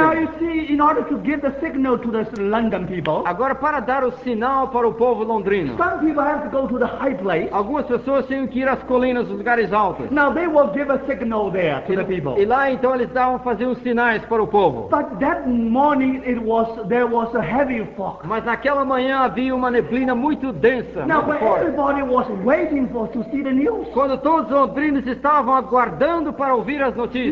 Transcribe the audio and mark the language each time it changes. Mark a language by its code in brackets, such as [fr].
[en] Now you see, in order to give the signal to the London people. [pt] Agora para dar o sinal para o povo londrino. [en] Some people have to go to the high place. [pt] Algumas pessoas tinham que ir às colinas, aos lugares altos. [en] Now they will give a signal there to the people. [pt] E lá então eles davam fazer uns sinais para o povo. [en] But that morning there was a heavy fog. [pt] Mas naquela manhã havia uma neblina muito densa. [en] Now [pt] muito forte. [en] Everybody was waiting for to see the news. [pt] Quando todos os londrinos estavam aguardando para ouvir as notícias.